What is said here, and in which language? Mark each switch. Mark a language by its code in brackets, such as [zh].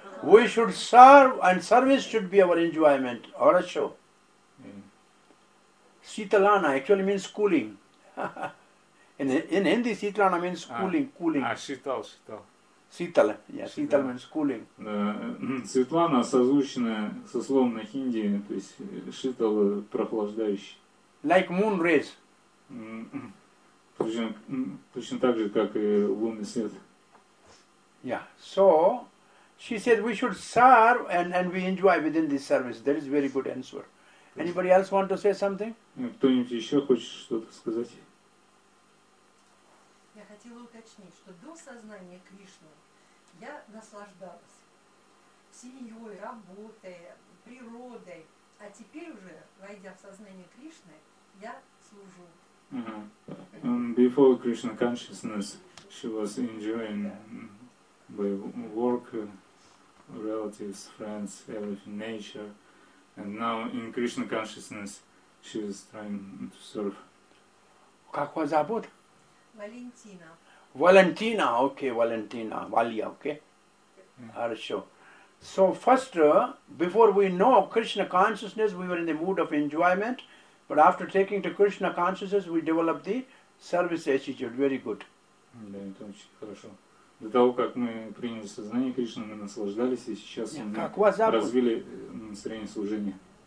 [en] We should serve and service should be our enjoyment. [ru] Horasho. [en] Sitalana actually means cooling. In Hindi, Sitalana means cooling, cooling. Sital, Sital. Sital, yeah, Sital means cooling. [ru] Sitalana созвучна со словом на хинди, то есть Sital прохлаждающий. [en] Like moon rays. [ru] Точно так же, как и лунный свет. [en] Yeah. So, she said we should serve and we enjoy within this service. That is very good answer. Anybody else want to say something? [ru] Кто-нибудь еще хочет что-то сказать? Я хотела уточнить, что до сознания Кришны я наслаждалась семьей, работой, природой. А теперь уже, войдя в сознание Кришны, я служу. [en] Before Krishna consciousness, she was enjoying by work, relatives, friends, everything, nature. And now in Krishna consciousness, she is trying to serve. [ru] Как вас зовут? Валентина. Валентина, окей, Валентина, Валя, окей. Хорошо. [en] So first, before we know Krishna consciousness, we were in the mood of enjoyment. But after taking to Krishna consciousness, we develop the service attitude. Very good. [ru] Да, это очень хорошо. До того, как мы приняли сознание Кришны, мы наслаждались, и сейчас мы развили настроение служения.